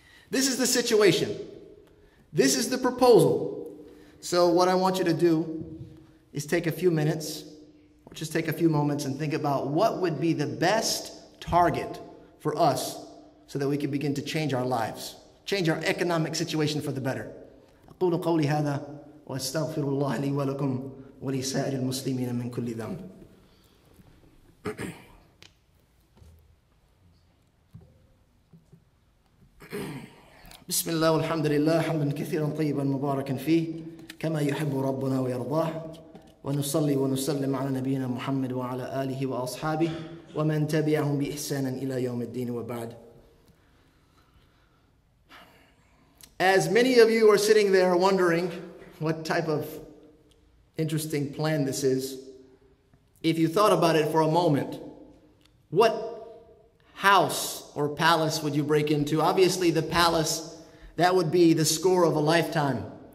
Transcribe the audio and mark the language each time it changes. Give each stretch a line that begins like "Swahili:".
English: This is the situation. This is the proposal. So what I want you to do is take a few minutes, or just take a few moments and think about what would be the best target for us so that we can begin to change our lives, change our economic situation for the better.
Arabic: أقول قولي هذا وأستغفر الله لي ولكم ولسائر المسلمين من كل ذنب. بسم الله والحمد لله حمدا كثيرا طيبا مباركا فيه كما يحب ربنا ويرضاه ونصلي ونسلم على نبينا محمد وعلى آله وأصحابه ومن تبعهم بإحسان إلى يوم الدين وبعد.
English: As many of you are sitting there wondering what type of interesting plan this is, if you thought about it for a moment, what house or palace would you break into? Obviously, the palace, that would be the score of a lifetime.